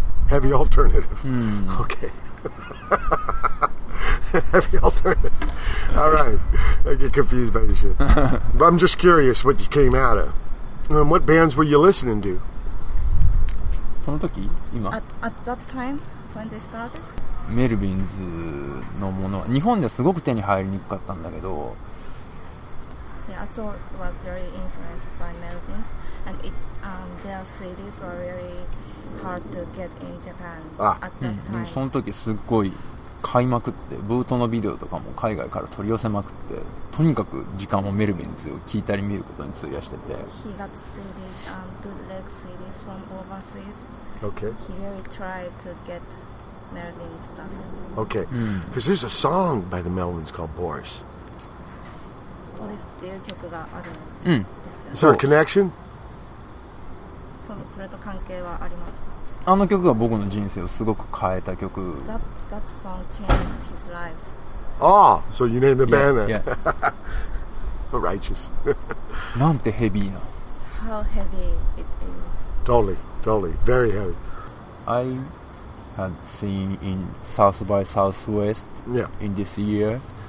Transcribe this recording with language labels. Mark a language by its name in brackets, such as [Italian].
[English] Heavy alternative. All right. I get confused by your shit. But I'm just curious what you came out of. What bands were you listening to? At that time, when they started? [Japanese] Melvins のもの。日本ではすごく手に入りにくかったんだけど。 [English] Yeah, Atsuo was very influenced by Melvins. And their CDs were really hard to get in Japan at that time. [Japanese] でもその時すごい。買いまくってブートのビデオとかも海外から取り寄せまくってとにかく時間をメルビンズを聞いたり見ることに費やしてて [English] He got CDs and bootleg CDs from overseas. Okay. He really tried to get Melvin stuff. Okay. Because there's a song by the Melvins called Boris. [Japanese] ボリスっていう曲があるんですよね。 [English] Is there a connection? [Japanese] それと関係はありますか？あの曲が僕の人生をすごく変えた曲。 [English] That song changed his life. Ah, so you named the band then? Yeah. Righteous. [Japanese] なんてヘビーな。 [English] How heavy it is. Totally, totally, very heavy. I had seen in South by Southwest in this year.